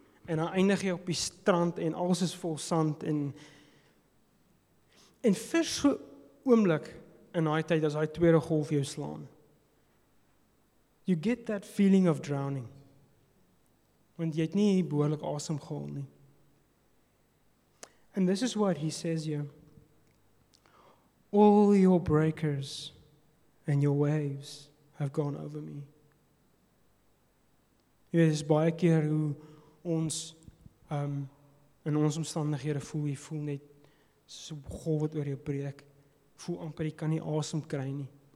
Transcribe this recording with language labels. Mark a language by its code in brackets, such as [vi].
[af] En dan eindig jy op die strand en alles is vol sand en vir so oomblik in daai tyd as daai tweede golf jou slaan. [en] You get that feeling of drowning. [af] Want jy het nie behoorlik asem gehaal nie. [en] And this is what he says here. All your breakers and your waves have gone over me. [af] Jy weet, is baie keer hoe ons in ons omstandighede voel, jy voel net so golf wat oor jou breek. Voel amper, jy kan nie asem kry nie.